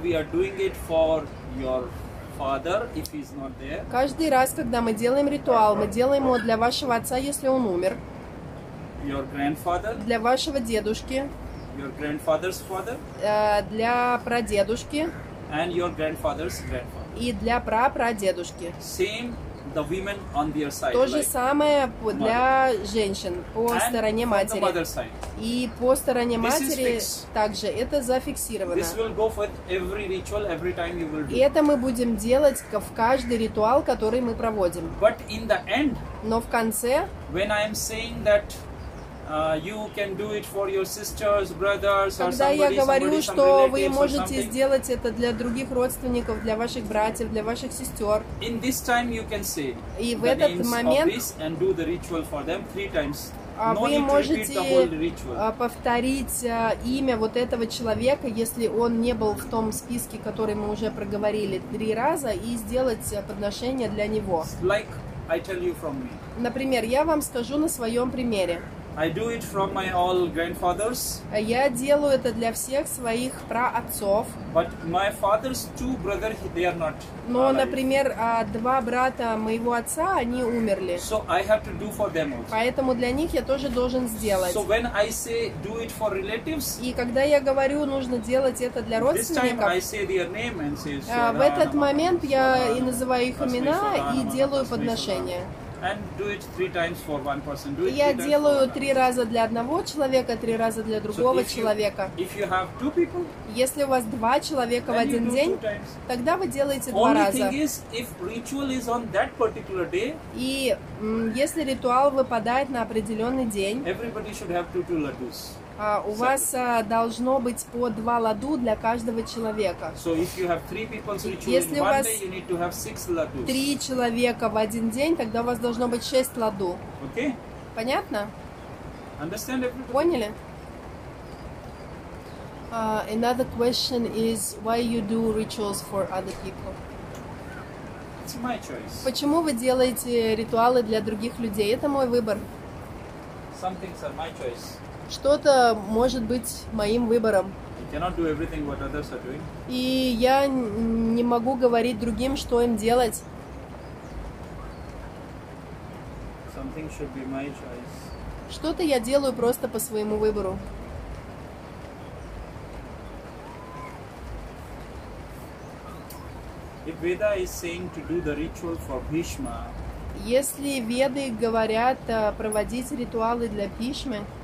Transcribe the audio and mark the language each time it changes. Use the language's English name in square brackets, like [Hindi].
[English] We are doing it for your father if he's not there. [Russian] Каждый раз, когда мы делаем ритуал, мы делаем его для вашего отца, если он умер. [English] Your grandfather. [Russian] Для вашего дедушки. [English] Your grandfather's father. [Russian] Для прадедушки. [English] And your grandfather's grandfather. [Russian] И для прапрадедушки. [English] Same the women on their side. [Russian] То же самое для женщин по стороне матери. [English] And on the mother side. [Russian] И по стороне матери также это зафиксировано. [English] This will go for every ritual, every time you will do. [Russian] И это мы будем делать в каждый ритуал, который мы проводим. [English] But in the end, [Russian] но в конце, [English] when I am saying that you can do it for your sisters, brothers, or somebody, [Russian] я говорю, что вы можете сделать это для других родственников, для ваших братьев, для ваших сестер. [English] In this time you can say. [Russian] И в этот момент [English] and do the ritual for them three times. [Russian] Вы можете повторить имя вот этого человека, если он не был в том списке, который мы уже проговорили три раза, и сделать подношение для него. [English] Like I tell you from me. [Russian] Например, я вам скажу на своем примере. [English] I do it from my all grandfathers. [Russian] Я делаю это для всех своих праотцов. [English] But my father's two brothers, they are not. [Russian] Но, например, два брата моего отца, они умерли. [English] So I have to do for them also. [Russian] Поэтому для них я тоже должен сделать. [English] So when I say do it for relatives. [Russian] И когда я говорю, нужно делать это для родственников. [English] This time I say their name and say. [Russian] В этот момент я и называю их имена и делаю подношение. [English] And do it three times for one person. Do it. [Russian] Я делаю три раза для одного человека, три раза для другого человека. [English] If you have two people, [Russian] если у вас два человека в один день, тогда вы делаете два раза. [English] Only thing is, if ritual is on that particular day, [Russian] и если ритуал выпадает на определенный день, [English] everybody should have two ladus. [Russian] У вас должно быть по два ладу для каждого человека. [English] So if you have three people's ritual, [Russian] если [English] in [Russian] у вас [English] one day, you need to have six ladus. [Russian] Три человека в один день, тогда у вас должно быть шесть ладу. [English] Okay. [Russian] Понятно? [English] Understand everything? [Russian] Поняли? [English] Another question is, why you do rituals for other people? It's my choice. [Russian] Почему вы делаете ритуалы для других людей? Это мой выбор. [English] Some things are my choice. [Russian] Что-то может быть моим выбором. [English] You cannot do everything what others are doing. [Russian] И я не могу говорить другим, что им делать. [English] Something should be my choice. [Russian] Что-то я делаю просто по своему выбору. [English] If Veda is saying to do the ritual for Bhishma, [Russian] если Веды говорят проводить ритуалы для Бхишмы,